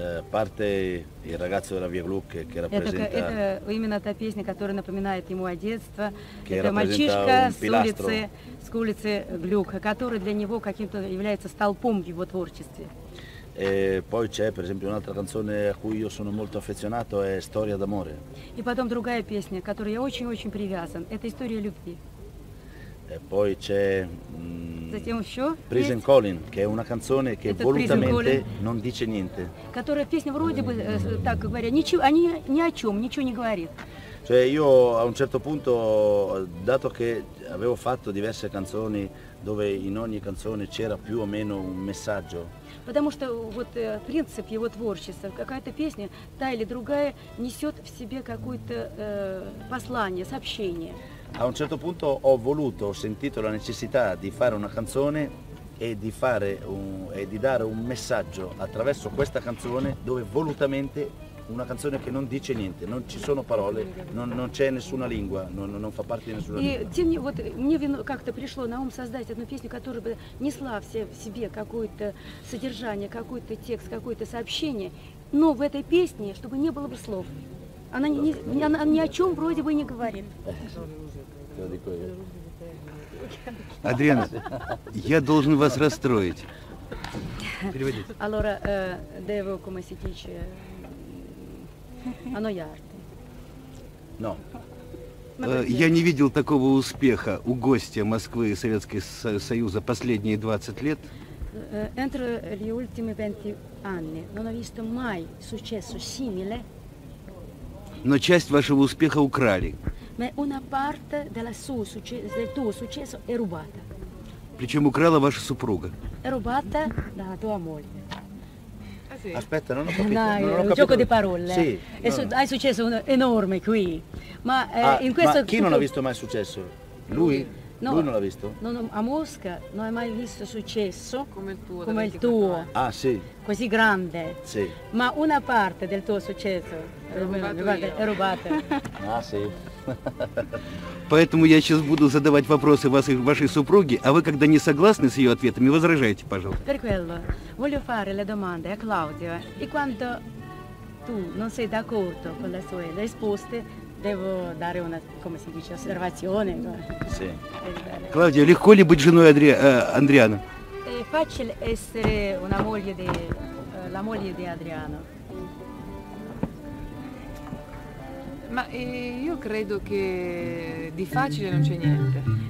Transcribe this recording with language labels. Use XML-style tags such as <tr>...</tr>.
<it>Parte il ragazzo della Via Gluck che rappresenta.</it> <ru>Это именно та песня, которая напоминает ему о детстве.</ru> <it>Che</it> <ru>это мальчишка с улицы Глюк, который для него каким-то является столпом в его творчестве.</ru> <it>E poi c'è per esempio un'altra canzone a cui io sono molto affezionato, è Storia d'amore.</it> <ru>И потом другая песня, к которой я очень-очень привязан, это История любви.</ru> <it>E poi c'è</it> <ru>Затем еще</ru> <it>Prison Calling, che è una canzone che</it> <ru>это</ru> <it>volutamente non dice niente.</it> <ru>Которая песня вроде бы, так говоря, ничего, они ни о чем, ничего не говорит.</ru> <it>Cioè io a un certo punto, dato che avevo fatto diverse canzoni dove in ogni canzone c'era più o meno un messaggio.</it> <ru>Потому что вот принцип его творчества, какая-то песня, та или другая, несет в себе какое-то послание, сообщение.</ru> <it>A un certo punto ho voluto, ho sentito la necessità di fare una canzone e di dare un messaggio attraverso questa canzone dove volutamente una canzone che non dice niente, non ci sono parole, non c'è nessuna lingua, non fa parte di nessuna lingua.</it> <ru>Мне как-то пришло на ум создать одну песню, которая бы несла в себе какое-то содержание, какой-то текст, какое-то сообщение, но в этой песне, чтобы не было бы слов. Она ни о чем вроде бы не говорит. Адриана, я должен вас расстроить. Переводите.</ru> <it>Allora, devo come si dice annoiarti. No.</it> <ru>Я не видел такого успеха у гостя Москвы и Советского Союза последние 20 лет.</ru> <it>Entro gli ultimi 20 anni non ho visto mai successo simile.</it> <ru>Но часть вашего успеха украли.</ru> <it>Ma una parte della del tuo successo è rubata.</it> <ru>Причем украла ваша супруга.</ru> <it>Rubata dalla tua moglie. Aspetta, non ho capito. Dai, non ho capito. Gioco di parole. Sì, hai successo un enorme qui. Ma in questo. Ma chi non ha visto mai successo? Lui? No, lui non l'ha visto? Non, a Mosca non hai mai visto successo come il tuo. Come il tuo. Ah, sì. Così grande. Sì. Ma una parte del tuo successo è rubata. Ah, sì.</it> <ru>Поэтому я сейчас буду задавать вопросы вашей супруге, а вы, когда не согласны с ее ответами, возражайте, пожалуйста.</ru> <it>Per quello voglio fare le domande a Claudio e quando tu non sei d'accordo con le sue risposte devo dare una, come si dice, osservazione. Sì.</it> <ru>Claudio, легко ли быть женой Адриана?</ru> <it>È facile essere una moglie di la moglie di Adriano. Ma io credo che di facile non c'è niente.</it>